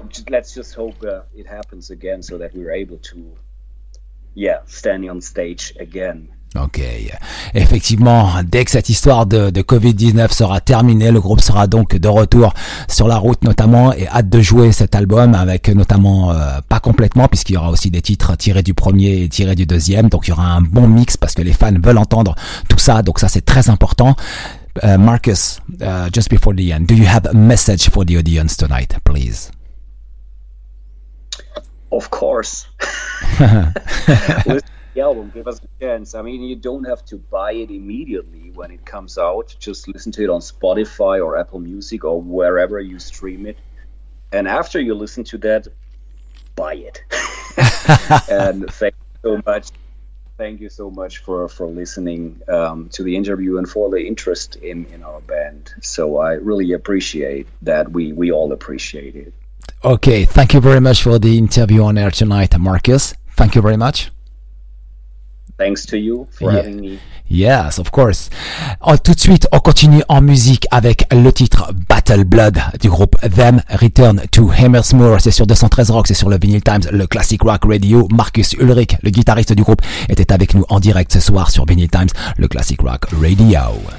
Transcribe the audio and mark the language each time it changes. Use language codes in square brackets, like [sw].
[en] Let's just hope it happens again so that we're able to stand on stage again. [fr] Ok, effectivement, dès que cette histoire de Covid-19 sera terminée, le groupe sera donc de retour sur la route notamment et hâte de jouer cet album avec notamment, pas complètement puisqu'il y aura aussi des titres tirés du premier et tirés du deuxième, donc il y aura un bon mix parce que les fans veulent entendre tout ça, donc ça c'est très important. [en] Marcus, just before the end, do you have a message for the audience tonight, please? Of course. The album, give us a chance. I mean, you don't have to buy it immediately when it comes out. Just listen to it on Spotify or Apple Music or wherever you stream it. And after you listen to that, buy it. And thank you so much. Thank you so much for listening to the interview and for the interest in our band. So I really appreciate that. We all appreciate it. Okay. Thank you very much for the interview on air tonight, Marcus. Thank you very much. thanks to you for having me. Yes, of course. [fr] Tout de suite, on continue en musique avec le titre Battle Blood du groupe Them, Return to Hammersmoor. C'est sur 213 Rock, c'est sur le Vinyl Times, le Classic Rock Radio. Marcus Ulrich, le guitariste du groupe, était avec nous en direct ce soir sur Vinyl Times, le Classic Rock Radio.